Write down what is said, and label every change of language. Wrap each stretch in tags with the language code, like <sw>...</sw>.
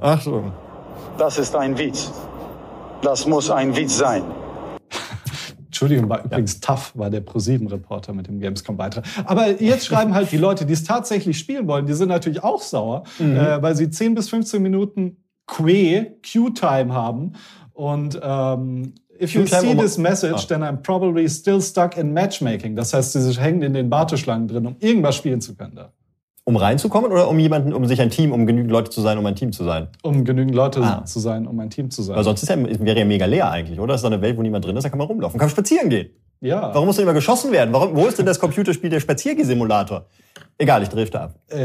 <de>Ach so. Das ist ein Witz. Das muss ein Witz sein. Entschuldigung, war übrigens tough, war der ProSieben-Reporter mit dem Gamescom-Beitrag. Aber jetzt schreiben halt die Leute, die es tatsächlich spielen wollen, die sind natürlich auch sauer, weil sie 10 bis 15 Minuten Q-Time haben. Und</de> <en>if you see this message, then I'm probably still stuck in matchmaking.</en> <de>Das heißt, sie hängen in den Warteschlangen drin, um irgendwas spielen zu können da. Um reinzukommen oder um ein Team zu sein? Weil sonst wäre ja mega leer eigentlich, oder? Das ist eine Welt, wo niemand drin ist, da kann man rumlaufen, kann spazieren gehen. Ja. Warum muss denn immer geschossen werden? Wo ist denn das Computerspiel der Spaziergesimulator? Egal, ich drifte ab.</de>